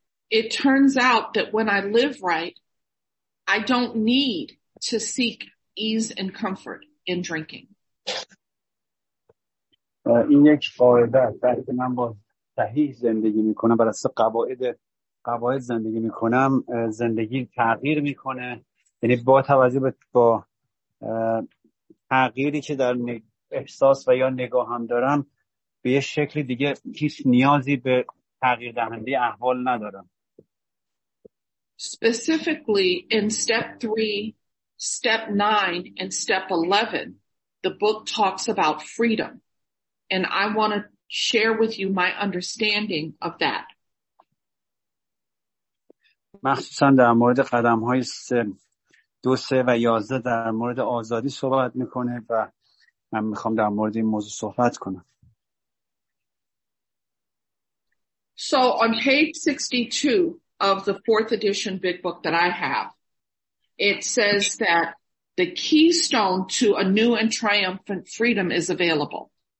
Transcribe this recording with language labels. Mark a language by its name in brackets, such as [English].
[English] It turns out that when I live right, I don't need to seek ease and comfort in drinking. [Persian] این یک قاعده است. در که من با صحیح زندگی میکنم، بر اساس قواعد زندگی میکنم، زندگی تغییر میکنه. یعنی با توجه به با تغییری که در احساس و یا نگاهم دارم، به یه شکل دیگه هیچ نیازی به تغییر دهنده احوال ندارم. [English] Specifically in step 3, step 9, and step 11, the book talks about freedom. And I want to share with you my understanding of that. [Persian] مخصوصا در مورد قدم های 2, 3 و 11 در مورد آزادی صحبت میکنه و من میخوام در مورد این موضوع صحبت کنم. [English] So on page 62 of the fourth edition big book that I have, it says that the keystone to a new and triumphant freedom is available.